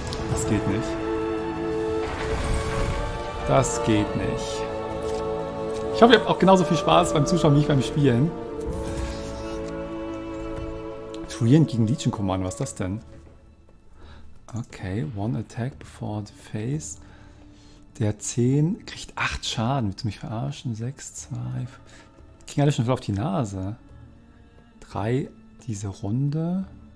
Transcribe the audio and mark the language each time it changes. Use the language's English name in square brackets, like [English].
[German] Das geht nicht. Das geht nicht. Ich hoffe, ihr habt auch genauso viel Spaß beim Zuschauen wie ich beim Spielen. Treant gegen Legion Commander, was ist das denn? [English] Okay, one attack before the phase. [German] Der 10 kriegt 8 Schaden. Willst du mich verarschen? 6, 2, 5. Ging alle schon voll auf die Nase. 3 diese Runde.